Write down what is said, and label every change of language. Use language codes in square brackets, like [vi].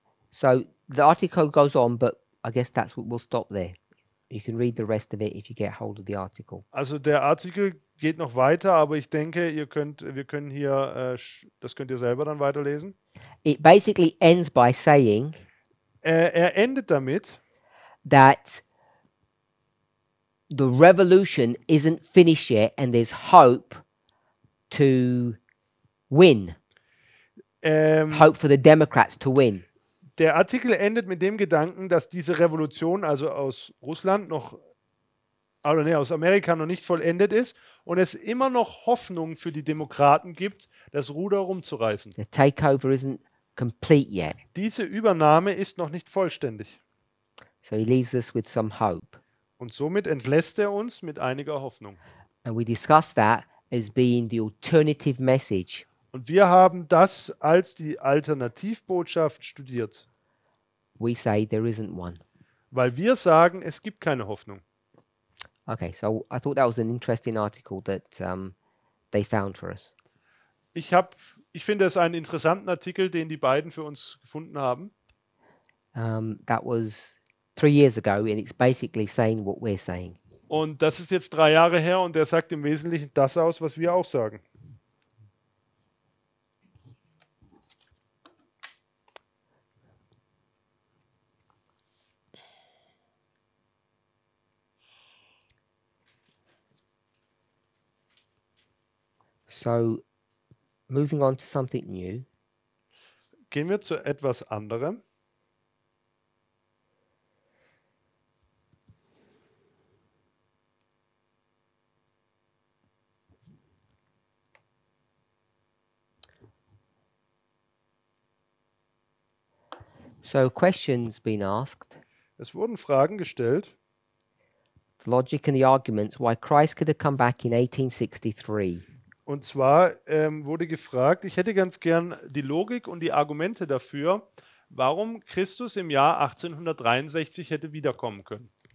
[en] So the article goes on, but I guess that's what we'll stop there. You can read the rest of it if you get hold of the article. [de] Also der Artikel geht noch weiter, aber ich denke, ihr könnt, wir können hier, das könnt ihr selber dann weiterlesen. [en] It basically ends by saying, [de] er endet damit, [en] that the revolution isn't finished yet and there's hope to win. Hope for the Democrats to win. [de] Der Artikel endet mit dem Gedanken, dass diese Revolution, also aus Russland noch, oder nee, aus Amerika noch nicht vollendet ist und es immer noch Hoffnung für die Demokraten gibt, das Ruder rumzureißen. [en] The takeover isn't complete yet. [de] Diese Übernahme ist noch nicht vollständig. [en] So he leaves us with some hope. [de] Und somit entlässt er uns mit einiger Hoffnung. [en] And we discuss that as being the alternative message. [de] Und wir haben das als die Alternativbotschaft studiert. [en] We say there isn't one. [de] Weil wir sagen, es gibt keine Hoffnung. [en] Okay, so I thought that was an interesting article that they found for us. [de] Ich finde es einen interessanten Artikel, den die beiden für uns gefunden haben. [en] That was 3 years ago and it's basically saying what we're saying. [de] Und das ist jetzt 3 Jahre her und der sagt im Wesentlichen das aus, was wir auch sagen. [en] So, moving on to something new. [de] Gehen wir zu etwas anderem. [en] So, questions been asked. [de] Es wurden Fragen gestellt. [en] The logic and the arguments why Christ could have come back in 1863. [de] Und zwar wurde gefragt, ich hätte ganz gern die Logik und die Argumente dafür, warum Christus im Jahr 1863 hätte wiederkommen können.